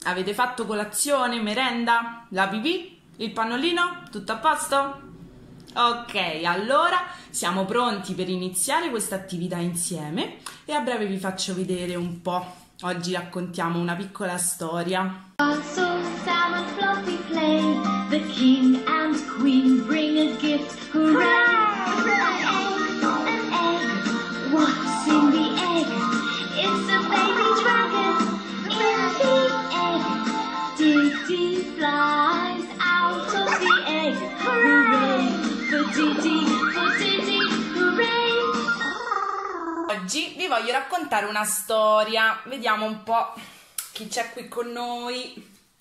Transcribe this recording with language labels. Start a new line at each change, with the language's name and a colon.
Italian: Avete fatto colazione, merenda, la pipì, il pannolino? Tutto a posto? Ok, allora siamo pronti per iniziare questa attività insieme e a breve vi faccio vedere un po'. Oggi raccontiamo una piccola storia.
English: The king and queen bring a gift, hooray! Hooray! An egg, what's in the egg? It's a baby dragon in the egg. Didi flies out of the egg, hooray! For Didi, hooray!
Italian: Oggi vi voglio raccontare una storia. Vediamo un po' chi c'è qui con noi.